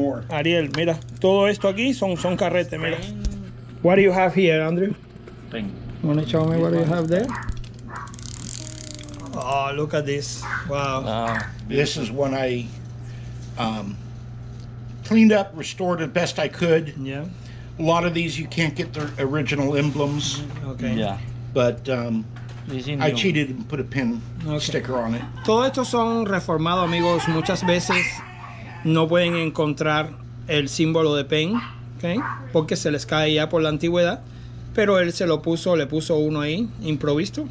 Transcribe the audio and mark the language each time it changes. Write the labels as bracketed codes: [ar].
[es] Ariel, mira, todo esto aquí son carretes, mira. [en] What do you have here, Andrew? Thing. Want to show me what you have there? Oh, look at this. Wow. This is one I cleaned up, restored as best I could. Yeah. A lot of these you can't get their original emblems. Okay. Yeah. But I cheated and put a pin sticker on it. [es] Todo esto son reformados, amigos. Muchas veces no pueden encontrar el símbolo de pen, ¿okay? Porque se les cae ya por la antigüedad. Pero él se lo puso, le puso uno ahí, improvisto.